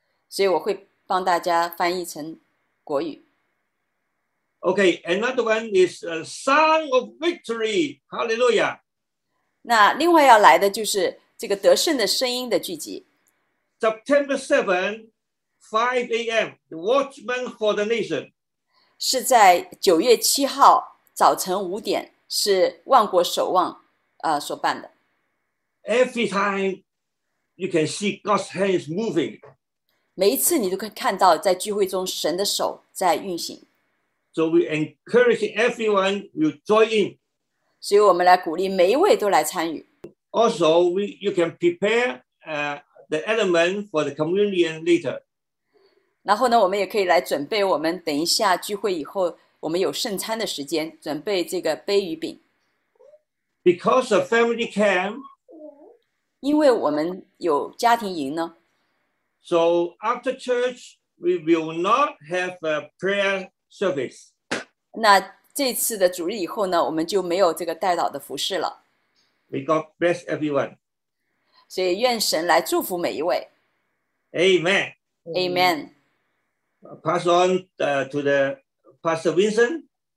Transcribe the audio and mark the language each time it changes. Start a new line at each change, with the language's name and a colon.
Chinese: 所以我会帮大家翻译成国语。
English: Okay, another one is a song of victory. Hallelujah.
Chinese: 那另外要来的就是这个得胜的声音的聚集。
English: September 7, 5 a.m., the watchman for the nation.
Chinese: 是在9月7号早晨5点，是万国守望，所办的。
English: Every time you can see God's hand is moving.
Chinese: 每一次你都可以看到，在聚会中神的手在运行。
English: So we encourage everyone to join in.
Chinese: 所以我们来鼓励每一位都来参与。
English: Also, you can prepare the element for the communion later.
Chinese: 然后呢，我们也可以来准备。我们等一下聚会以后，我们有圣餐的时间，准备这个杯与饼。
English: Because of family camp,
Chinese: 因为我们有家庭营呢。
English: so after church, we will not have a prayer service.
Chinese: 那这次的主日以后呢，我们就没有这个代祷的服事了。
English: May God bless everyone.
Chinese: 所以愿神来祝福每一位。
English: Amen. Amen。 Pass on to the Pastor Vincent.